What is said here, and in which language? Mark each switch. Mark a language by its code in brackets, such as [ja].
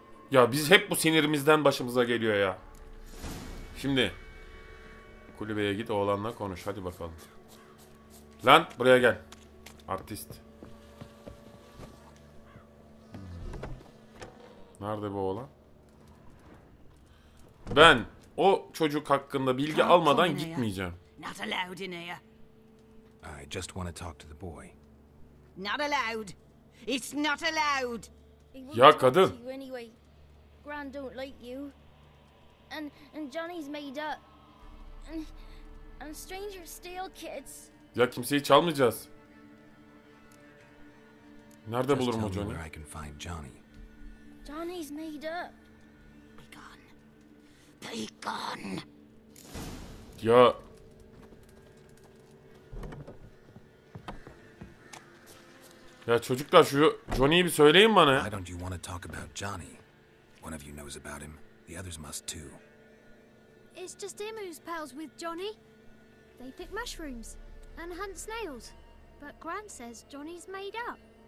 [tr] Ya biz hep bu sinirimizden başımıza geliyor ya. Şimdi kulübeye git, oğlanla konuş, hadi bakalım. Lan buraya gel. Artist. Nerede bu oğlan? Ben o çocuk hakkında bilgi almadan gitmeyeceğim. [en] Not allowed in here. I just want to talk to the boy. Not allowed. It's not allowed. [tr] Ya kadın. [en] Anyway, Gran don't like you. And Johnny's made up. And strangers steal kids. [tr] Ya kimseyi çalmayacağız. Nerede bulurum o Johnny? [en] I can find Johnny. Johnny's made up. Be gone. Be gone. [tr] Ya. Ya çocuklar şu Johnny'yi bir söyleyin bana. [en] Why don't you want to talk about Johnny? One of you knows about him. The others must too. It's just him who's pals with Johnny. They pick mushrooms and hunt snails. But Gran says Johnny's made up.